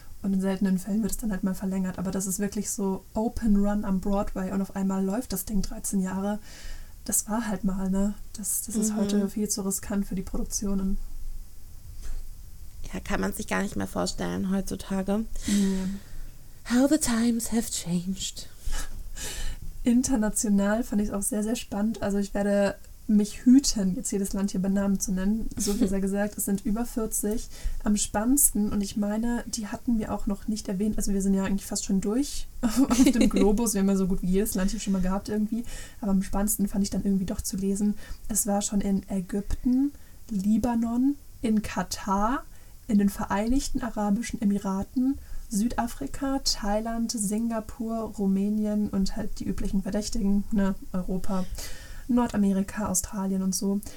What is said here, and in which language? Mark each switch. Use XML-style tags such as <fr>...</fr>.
<de>Und in seltenen Fällen wird es dann halt mal verlängert. Aber das ist wirklich so Open Run am Broadway und auf einmal läuft das Ding 13 Jahre. Das war halt mal, ne? Das ist heute viel zu riskant für die Produktionen. Ja, kann man sich gar nicht mehr vorstellen heutzutage.</de> <en>Yeah. How the times have changed.</en> <de>International fand ich es auch sehr, sehr spannend. Also ich werde mich hüten, jetzt jedes Land hier bei Namen zu nennen. So viel sei gesagt, es sind über 40. Am spannendsten, und ich meine, die hatten wir auch noch nicht erwähnt, also wir sind ja eigentlich fast schon durch auf dem Globus, wir haben ja so gut wie jedes Land hier schon mal gehabt irgendwie, aber am spannendsten fand ich dann irgendwie doch zu lesen, es war schon in Ägypten, Libanon, in Katar, in den Vereinigten Arabischen Emiraten, Südafrika, Thailand, Singapur, Rumänien und halt die üblichen Verdächtigen, ne, Europa, Nordamerika, Australien und so.</de>